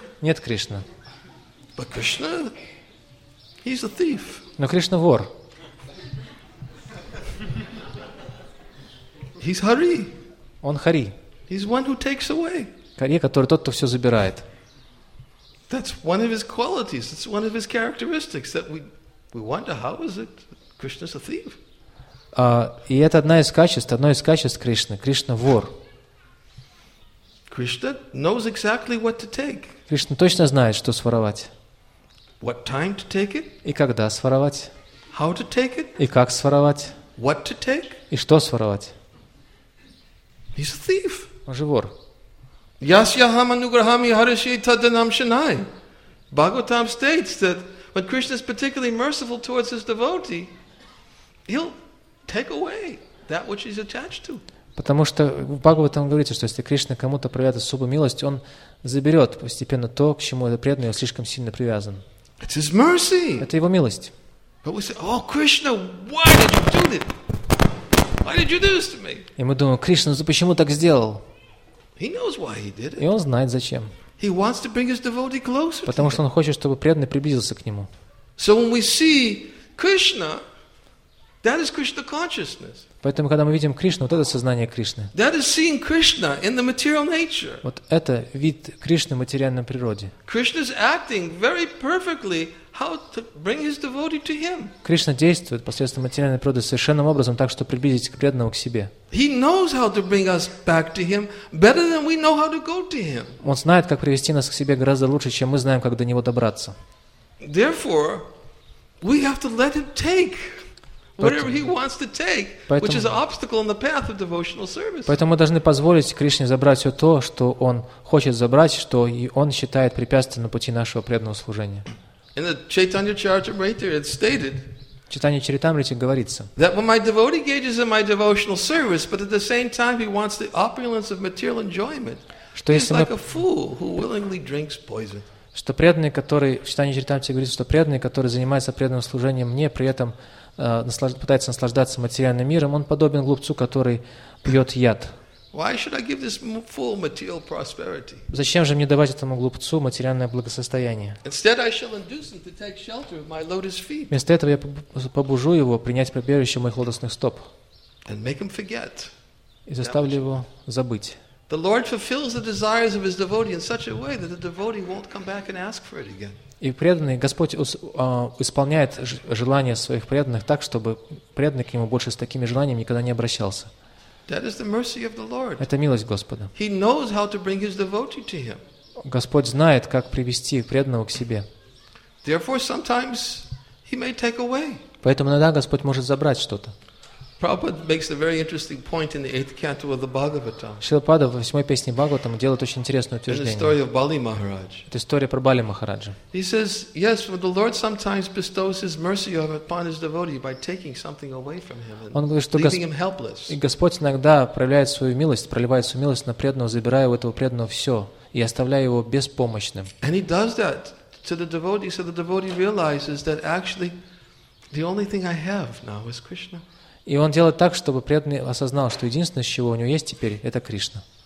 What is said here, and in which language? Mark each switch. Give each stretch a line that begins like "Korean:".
Russian: Нет, Кришна.
English: But Krishna, he's a thief.
Russian: Но Кришна вор.
English: He's Hari.
Russian: Он Хари.
English: He's one who takes away.
Russian: Хари, который тот, кто все забирает.
English: That's one of his qualities. That's one of his characteristics that we wonder how is it Krishna's a thief.
Russian: И это одно из качеств Кришны. Кришна вор.
English: Krishna knows exactly what to take.
Russian: Кришна точно знает, что своровать.
English: What time to take it?
Russian: И когда своровать?
English: How to take it?
Russian: И как своровать?
English: What to take?
Russian: И что своровать?
English: He's a thief.
Russian: Он же вор.
Sanskrit: Yasya ham anugrahami harishi tadanam shanai.
English: Bhagavatam states that when Krishna is particularly merciful towards his devotee, he'll take away that which he's attached to.
Russian: Потому что в Бхагаватам говорится, что если Кришна кому-то проявит особую милость, он заберет постепенно то, к чему этот преданный слишком сильно привязан.
English: It's his mercy.
Russian: Это его милость.
English: But we say, oh, Krishna, why did you do this? Why did you do this to me?
Russian: И мы думаем, Кришна, ты почему так сделал?
English: He knows why he did it.
Russian: И он знает зачем.
English: He wants to bring his devotee closer.
Russian: Потому что он хочет, чтобы преданный приблизился к нему.
English: So when we see Krishna, that is Krishna consciousness.
Russian: Поэтому, когда мы видим Кришну, вот это сознание Кришны.
English: That is seeing Krishna in the material nature.
Russian: Вот это вид Кришны в материальной природе.
English: Krishna is acting very perfectly how to bring his devotee to him.
Russian: Кришна действует посредством материальной природы совершенным образом так, чтобы приблизить преданного к себе.
English: He knows how to bring us back to him better than we know how to go to him.
Russian: Он знает, как привести нас к себе гораздо лучше, чем мы знаем, как до него добраться.
English: Therefore, we have to let him take. Whatever he wants to take, which is an obstacle in the path of devotional service.
Russian: Поэтому мы должны позволить Кришне забрать все то, что он хочет забрать, что и он считает препятствием на пути нашего преданного служения.
English: In the Chaitanya Charitamrita, it's stated.
Russian: Читание Чаритамриты говорится.
English: That when my devotee engages in my devotional service, but at the same time he wants the opulence of material enjoyment, he's like a fool who willingly drinks poison.
Russian: Что преданный, который в Читании Чаритамриты говорится, что преданный, который занимается преданным служением, не при этом пытается наслаждаться материальным миром, он подобен глупцу, который пьет яд.
English: Why should I give this fool material prosperity?
Russian: Зачем же мне давать этому глупцу материальное благосостояние?
English: Instead, I shall induce him to take shelter of my lotus feet.
Russian: Вместо этого я побужу его принять прибежище моих лотосных стоп.
English: And make him forget.
Russian: И заставлю его забыть.
English: The Lord fulfills the desires of his devotee in such a way that the devotee won't come back and ask for it again.
Russian: И преданный, Господь исполняет желания своих преданных так, чтобы преданный к нему больше с такими желаниями никогда не обращался.
English: That is the mercy of the Lord.
Russian: Это милость Господа.
English: He knows how to bring his devotee to him.
Russian: Господь знает, как привести преданного к себе.
English: Therefore, sometimes he may take away.
Russian: Поэтому иногда Господь может забрать что-то.
English: Prabhupada makes a very interesting point in the eighth canto of the Bhagavatam.
Russian: Шрила Прабхупада в восьмой песне Бхагаватам делает очень интересное утверждение.
English: In the story of Bali Maharaj.
Russian: Это история про Бали Махараджа.
English: He says, yes, when the Lord sometimes bestows his mercy upon his devotee by taking something away from him and leaving him helpless.
Russian: И Господь иногда проявляет свою милость, проливает свою милость на преданного, забирая у этого преданного все и оставляя его беспомощным.
English: And he does that to the devotee, so the devotee realizes that actually the only thing I have now is Krishna.
Russian: И он делает так, чтобы преданный осознал, что единственное, чего у него есть теперь, это Кришна.